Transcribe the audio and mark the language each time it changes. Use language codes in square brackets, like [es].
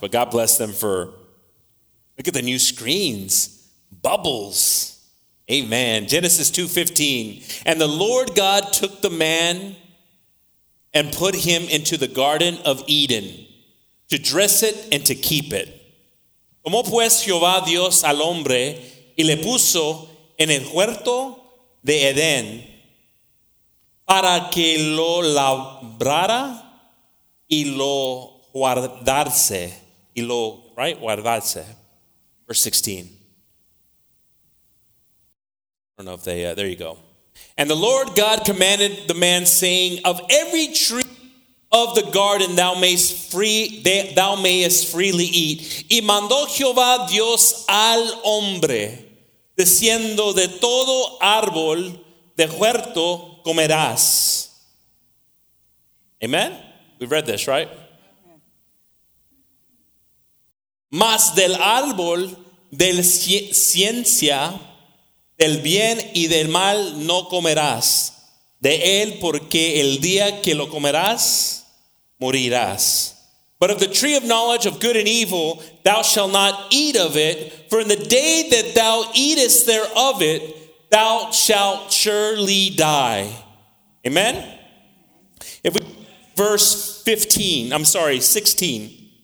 [en] But God bless them for, look at the new screens, bubbles, amen. Genesis 2:15, and the Lord God took the man and put him into the Garden of Eden to dress it and to keep it. [es] Tomó pues Jehová Dios al hombre y le puso en el huerto de Edén para que lo labrara y lo guardarse, y lo, [en] right, [es] guardarse. [en] Verse 16. I don't know if they, there you go. And the Lord God commanded the man, saying, of every tree of the garden thou mayest freely eat. [es] Y mandó Jehová Dios al hombre, diciendo, de todo árbol de huerto, comerás. [en] Amen? We've read this, right? [es] Mas del árbol de la ciencia del bien y del mal no comerás de él, porque el día que lo comerás, morirás. [en] But of the tree of knowledge of good and evil, thou shalt not eat of it, for in the day that thou eatest thereof it, thou shalt surely die. Amen? If we verse 15, I'm sorry, 16.